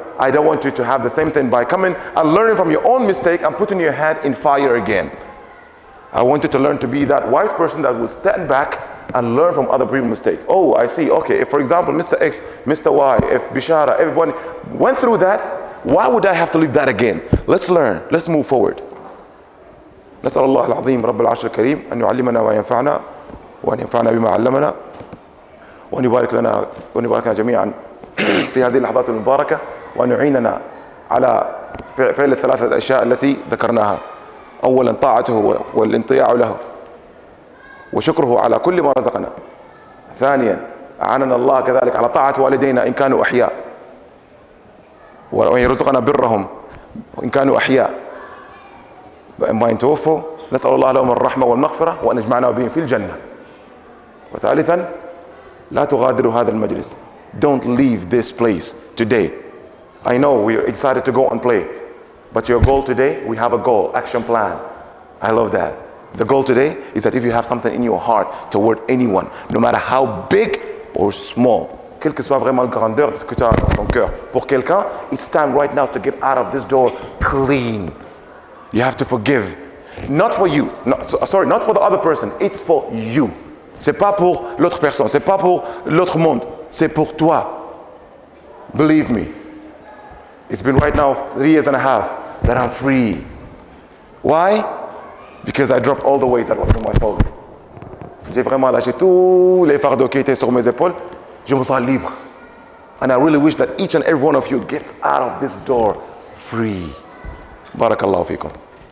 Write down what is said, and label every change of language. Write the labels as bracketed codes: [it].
[en] I don't want you to have the same thing by coming and learning from your own mistake and putting your hand in fire again. I want you to learn to be that wise person that will stand back and learn from other people's mistakes. Oh, I see. Okay, if for example, Mr. X, Mr. Y, if Bichara, everyone went through that, why would I have to live that again? Let's learn. Let's move forward. [ar] نسأل الله العظيم رب العرش الكريم أن يعلمنا وينفعنا وأن ينفعنا بما علمنا وأن يبارك لنا وأن يباركنا جميعا في هذه اللحظات المباركة وأن يعيننا على فعل الثلاثة أشياء التي ذكرناها. أولا طاعته والانطياع له وشكره على كل ما رزقنا. ثانيا أعاننا الله كذلك على طاعة والدينا إن كانوا أحياء وأن يرزقنا برهم إن كانوا أحياء. وإما إن توفوا نسأل الله لهم الرحمة والمغفرة وأن يجمعنا بهم في الجنة. وثالثا لا تغادروا هذا المجلس. [en] Don't leave this place today. I know we're excited to go and play, but your goal today, we have a goal, action plan. I love that. The goal today is that if you have something in your heart toward anyone, no matter how big or small, [fr] quelle que soit vraiment la grandeur de ce que tu as dans ton cœur pour quelqu'un, [en] it's time right now to get out of this door clean. You have to forgive. Not for you. Not for the other person. It's for you. [fr] C'est pas pour l'autre personne. C'est pas pour l'autre monde. C'est pour toi. [en] Believe me, it's been right now 3.5 years that I'm free. Why? Because I dropped all the weight that was on my shoulder. [fr] J'ai vraiment lâché tous les fardeaux qui étaient sur mes épaules. Je me sens libre. [en] And I really wish that each and every one of you gets out of this door free. [ar] Barakallahu fikum.